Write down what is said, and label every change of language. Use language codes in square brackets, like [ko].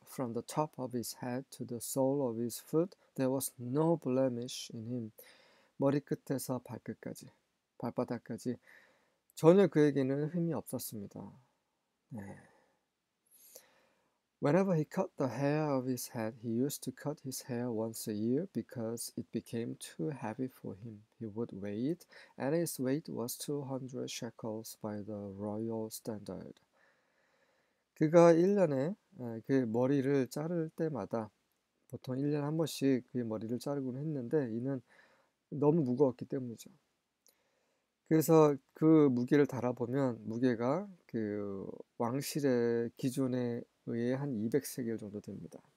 [en] From the top of his head to the sole of his foot, there was no blemish in him. [ko] 머리끝에서 발끝까지, 발바닥까지 전혀 그에게는 흠이 없었습니다. 네. [en] Whenever he cut the hair of his head, he used to cut his hair once a year because it became too heavy for him. He would weigh it, and his weight was 200 shekels by the royal standard. [ko] 그가 1년에 그 머리를 자를 때마다 보통 1년에 한 번씩 그의 머리를 자르곤 했는데 이는 너무 무거웠기 때문이죠. 그래서 그 무게를 달아보면 무게가 그 왕실의 기준에 의해 한 200세겔 정도 됩니다.